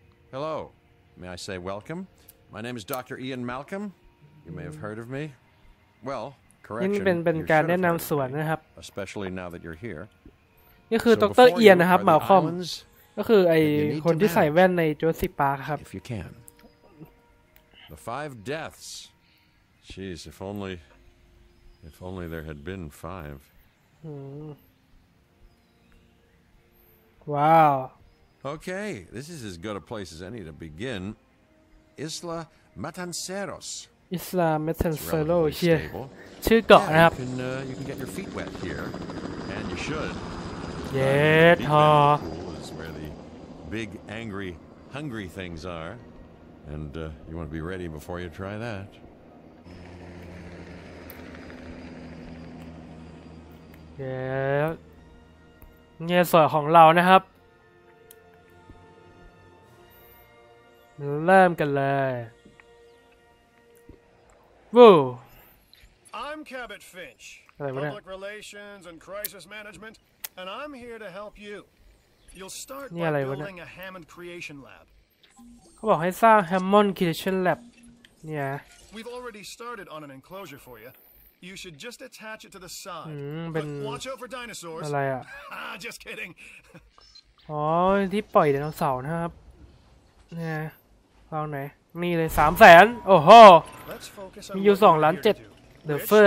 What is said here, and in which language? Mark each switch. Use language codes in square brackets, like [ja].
[en] Hello, may I say welcome? My name is Dr. Ian Malcolm. You may have heard of me. Well, correction. [th] เป็นการแนะนำส่วนนะครับ [en] Especially now that you're here. [th] นี่คือดร. เอียนนะครับมาคอมก็คือไอ้คนที่ใส่แว่นใน Jurassic Park ครับ [en] If you can. The five deaths. Jeez, if onlyIf only there had been five. Wow. Okay, this is as good a place as any to begin. Isla Matanceros. Isla Matanceros here. [th] ชื่อเกาะนะครับ [en] you can get your feet wet here, and you should. Yeah, the pool is where the big, angry, hungry things are, and you want to be ready before you try that. [th] เงี้ยสวยของเรานะครับเริ่มกันเลยวู้ [en] I'm Cabot Finch Public Relations and Crisis Management and I'm here to help you You'll start by building a Hammond Creation Lab [th] เขาบอกให้สร้าง Hammond Creation Lab เนี่ย [en] We've already started on an enclosure for youYou should just attach it to the side. But watch out for dinosaurs. [th] อะไรอ่ะ [en] Just kidding. [th] อ๋อที่ปล่อยไดโนเสาร์นะครับนี่ลองไหนนี่เลย 300,000 โอ้โหมีอยู่